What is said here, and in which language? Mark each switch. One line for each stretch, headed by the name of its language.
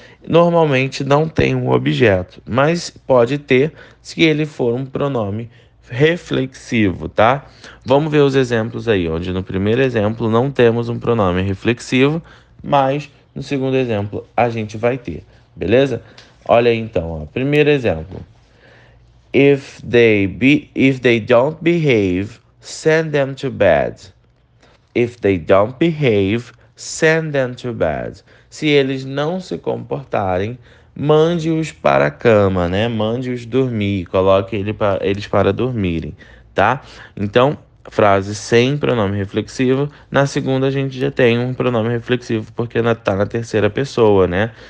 Portuguese: Normalmente não tem um objeto, mas pode ter se ele for um pronome reflexivo, tá? Vamos ver os exemplos aí, onde no primeiro exemplo não temos um pronome reflexivo, mas no segundo exemplo a gente vai ter, beleza? Olha aí então, ó. Primeiro exemplo.
English: If they don't behave, send them to bed. If they don't behave, send them to bed.
Portuguese: Se eles não se comportarem, mande-os para a cama, né? Mande-os dormir, coloque eles para dormirem, tá? Então, frase sem pronome reflexivo. Na segunda, a gente já tem um pronome reflexivo, porque tá na terceira pessoa, né?